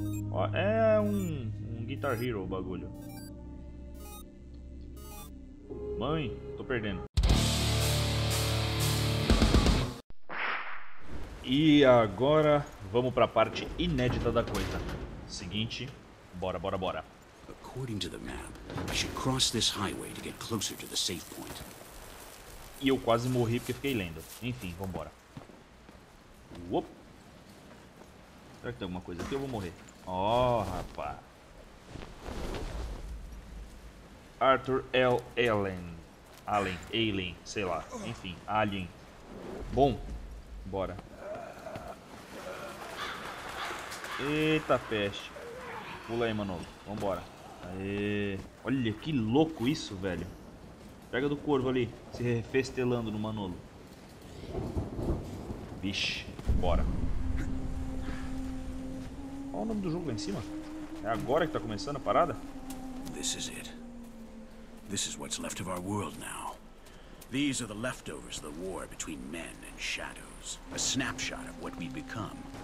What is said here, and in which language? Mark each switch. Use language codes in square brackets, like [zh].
[pt] Ó, é um Guitar Hero o bagulho. Mãe, tô perdendo. E agora vamos pra parte inédita da coisa. Seguinte, bora, bora, bora. [en] According to the map, I should cross this highway to get closer to the safe point. [pt] E eu quase morri porque fiquei lendo. Enfim, vambora. Uop. Será que tem alguma coisa aqui? Eu vou morrer. Oh, rapaz. Arthur L. Allen. Allen, Alien, sei lá. Enfim, Alien. Bom, bora. Eita peste. Pula aí, Manolo. Vambora. Aê. Olha que louco isso, velho. Pega do corvo ali, se refestelando no Manolo. Vixe, bora. Olha o nome do jogo lá em cima. É agora que tá começando a parada? [en] This is it. This is what's left of our world now. These are the leftovers of the war between men and shadows. A snapshot of what we become.